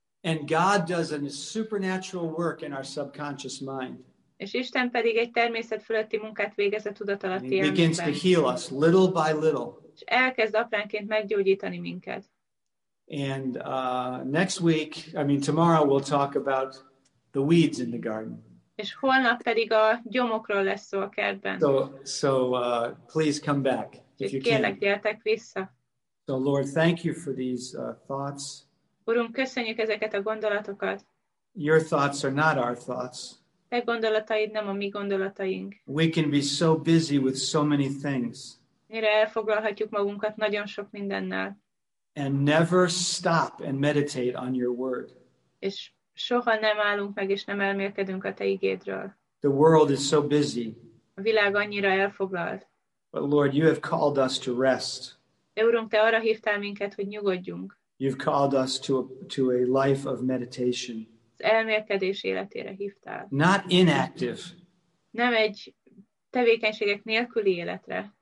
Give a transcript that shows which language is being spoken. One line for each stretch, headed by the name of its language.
English: And God does a supernatural work in our subconscious mind.
Hungarian: És Isten pedig egy természet fölötti munkát végez a tudatalatti elménkben.
English: Begins to heal us little by little.
Hungarian: És elkezd apránként meggyógyítani minket.
English: And tomorrow we'll talk about the weeds in the garden.
Hungarian: És holnap pedig a gyomokról lesz szó a kertben.
English: Please come back if you
Hungarian: kérlek, Kérlek, gyertek vissza.
English: So Lord, thank you for these thoughts.
Hungarian: Urunk, köszönjük ezeket a gondolatokat.
English: Your thoughts are not our thoughts.
Hungarian: Te gondolataid nem a mi gondolataink.
English: We can be so busy with so many things.
Hungarian: Mire elfoglalhatjuk magunkat nagyon sok mindennel.
English: And never stop and meditate on your word.
Hungarian: És soha nem állunk meg, és nem elmélkedünk a te igédről.
English: The world is so busy.
Hungarian: A világ annyira elfoglalt.
English: But Lord, you have called us to rest.
Hungarian: De Urunk, te arra hívtál minket, hogy nyugodjunk.
English: You've called us to a life of meditation.
Hungarian: Az elmélkedés életére hívtál.
English: Not inactive.
Hungarian: Nem egy tevékenységek nélküli életre.